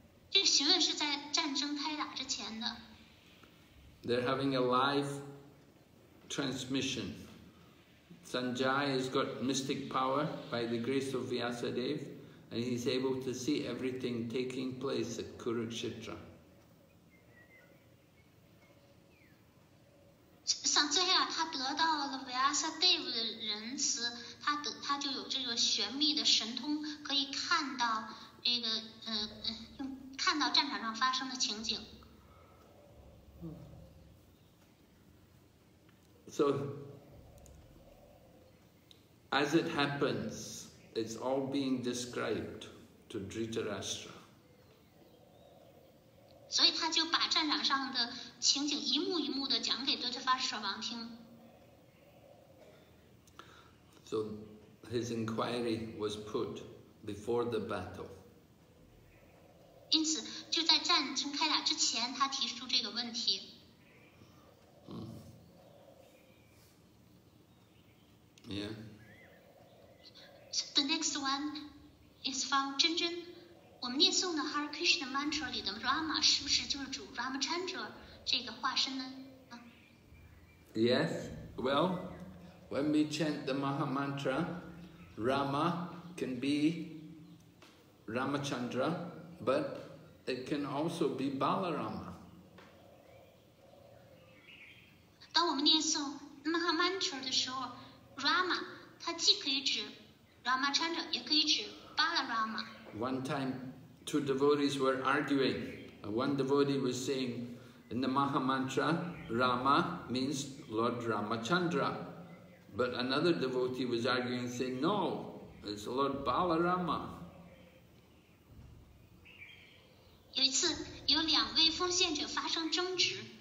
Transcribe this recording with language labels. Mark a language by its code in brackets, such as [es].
[zh] 这个询问是在战争开打之前的。 [en] They're having a live transmission. Sanjay has got mystic power by the grace of Vyasadev, and he's able to see everything taking place at Kurukshetra. Sanjay, he got [zh] Vyasadev 的仁慈，他就有这个玄秘的神通，可以看到这个看到战场上发生的情景。 [en] So, as it happens, it's all being described to Dhritarashtra. So he [zh] 就把战场上的情景一幕一幕的讲给 Dhritarashtra 王听。 [en] So his inquiry was put before the battle. [zh] 因此就在战争开打之前，他提出这个问题。 Yeah. [en] So the next one is from Chen Chen. [zh] 我们念诵的 Hare Krishna mantra 里的 Rama 是不是就是主 Ramachandra 这个化身呢？ [en] Yes. Well, when we chant the Maha mantra, Rama can be Ramachandra, but it can also be Balarama. [zh] 当我们念诵 Maha mantra 的时候。Rama, 它既可以指 Ramachandra, 也可以指 Balarama. [en] One time, two devotees were arguing. One devotee was saying, in the Maha Mantra, Rama means Lord Ramachandra. But another devotee was arguing, saying, no, it's Lord Balarama. [zh] 有一次，有两位奉献者发生争执。